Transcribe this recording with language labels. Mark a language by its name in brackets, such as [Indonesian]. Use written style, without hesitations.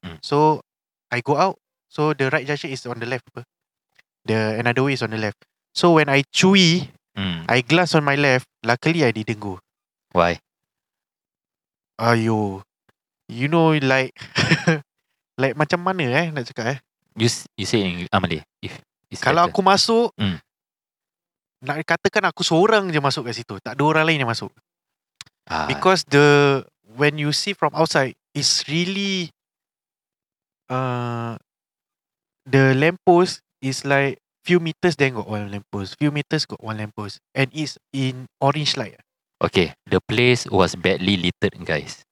[English] So I go out. So the right junction is on the left. The another way is on the left. So when I cui, I glance on my left. Luckily I didn't go. Why? [Malay] Ayo, [English] you know like like [Malay] macam mana eh nak cakap eh? [English] You say in Malay. If [Malay] kalau aku masuk, nak katakan aku seorang je masuk kat situ. Tak ada orang lain yang masuk. [English] Because the when you see from outside, it's really the lamppost is like few meters then got one lamppost. Few meters got one lamppost. And it's in orange light. Okay, the place was badly littered, guys.